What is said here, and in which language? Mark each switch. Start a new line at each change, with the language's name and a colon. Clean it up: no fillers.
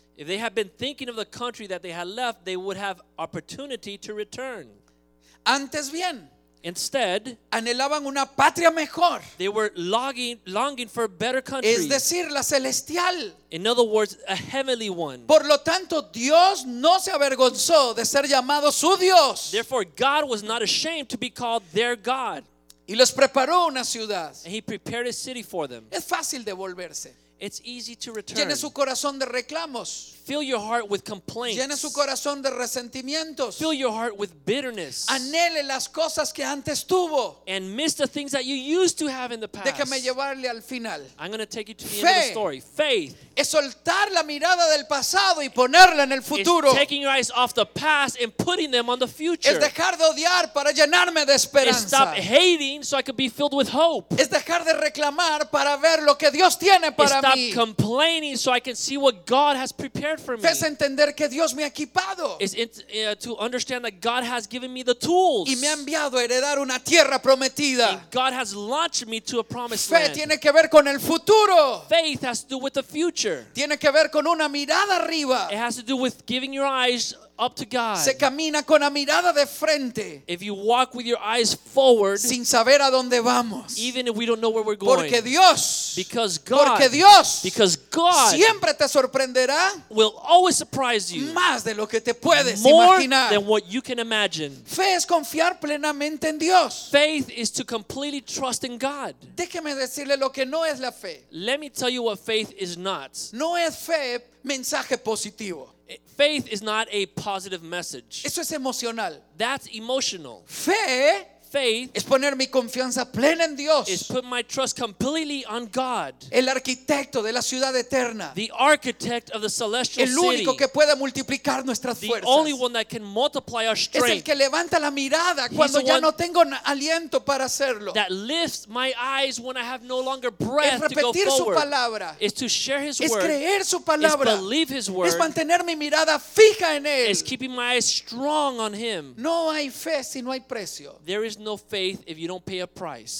English: If they had been thinking of the country that they had left, they would have opportunity to return.
Spanish: Antes bien,
English: instead,
Spanish: anhelaban una patria mejor.
English: They were longing for a better country.
Spanish: Es decir, la celestial.
English: In other words, a heavenly one.
Spanish: Por lo tanto, Dios no se avergonzó de ser llamado su Dios.
English: Therefore, God was not ashamed to be called their God.
Spanish: Y les preparó una ciudad.
English: And he prepared a city for them.
Spanish: Es fácil devolverse.
English: It's easy to return.
Spanish: Llene su corazón de reclamos.
English: Fill your heart with complaints.
Spanish: Llene su corazón de resentimientos.
English: Fill your heart with bitterness.
Spanish: Anhele las cosas que antes tuvo.
English: And miss the things that you used to have in the past.
Spanish: Déjame llevarle al final.
English: I'm going to take you to the end of the story. Faith.
Spanish: Es soltar la mirada del pasado y ponerla en el futuro.
English: It's taking your eyes off the past and putting them on the future.
Spanish: Es dejar de odiar para llenarme de esperanza.
English: It's stop hating so I could be filled with hope.
Spanish: Es dejar de reclamar para ver lo que Dios tiene para mí.
English: Stop complaining so I can see what God has prepared for me.
Spanish: Es entender que Dios me ha equipado.
English: It's to understand that God has given me the tools.
Spanish: Y me ha enviado a heredar una tierra prometida.
English: And God has launched me to a promised
Spanish: fe Fe tiene que ver con el futuro.
English: Faith has to do with the future.
Spanish: Tiene que ver con una mirada arriba.
English: It has to do with giving your eyes up to God.
Spanish: Se camina con la mirada de frente.
English: If you walk with your eyes forward,
Spanish: sin saber a dónde vamos.
English: Even if we don't know where we're going.
Spanish: Porque Dios.
English: Because God.
Spanish: Porque Dios.
English: Because God.
Spanish: Siempre te sorprenderá.
English: Will always surprise you.
Spanish: Más de lo que te puedes
English: more
Spanish: imaginar.
English: More than what you can imagine.
Spanish: Fe es confiar plenamente en Dios.
English: Faith is to completely trust in God.
Spanish: Déjeme decirle lo que no es la fe.
English: Let me tell you what faith is not.
Spanish: No es fe mensaje positivo.
English: Faith is not a positive message.
Spanish: Eso es emocional.
English: That's emotional.
Spanish: Fe.
English: Faith
Spanish: es poner mi confianza plena en Dios.
English: Is put my trust completely on God.
Spanish: El arquitecto de la ciudad eterna.
English: The architect of the celestial city.
Spanish: El único
English: city.
Spanish: Que puede multiplicar nuestras
English: the
Spanish: fuerzas.
English: The only one that can multiply our strength.
Spanish: Es el que levanta la mirada cuando ya no tengo aliento para hacerlo.
English: That lifts my eyes when I have no longer breath to go forward.
Spanish: Es repetir su palabra.
English: Is to share his
Spanish: es
English: word.
Spanish: Es creer su palabra.
English: Is believe his word.
Spanish: Es mantener mi mirada fija en él.
English: Is keeping my eyes strong on him.
Spanish: No hay fe si no hay precio.
English: There is no faith if you don't pay a price.